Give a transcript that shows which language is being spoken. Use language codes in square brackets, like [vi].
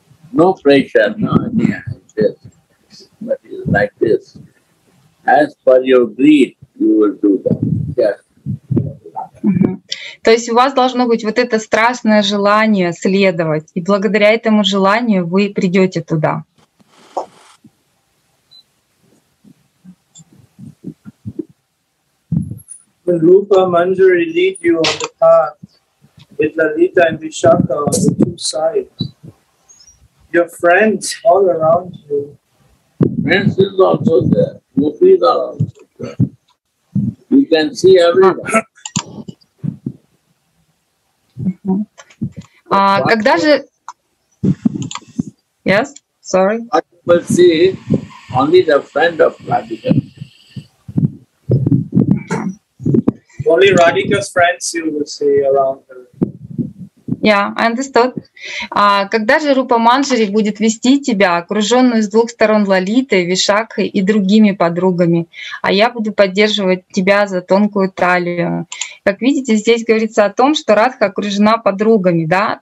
[en] No pressure, no any ideas, but it's like this. As per your greed, you will do that. Yes. [ru] То есть у вас должно быть вот это страстное желание следовать, и благодаря этому желанию вы придете туда. [en] Will Rupa Manjari lead you on the path with Lalita and Vishakha on the two sides? Your friends all around you. Friends is also there. Gopis are also there. You can see everyone. Mm-hmm. [ru] Когда же... [en] Yes, sorry. I will see only the friend of Radhika. Only Radhika's friends you will see around her. Yeah, I understood. [ru] Когда же Рупа Манджари будет вести тебя, окруженную с двух сторон Лалитой, Вишакхой и другими подругами, а я буду поддерживать тебя за тонкую талию? Как видите, здесь говорится о том, что Радха окружена подругами, да?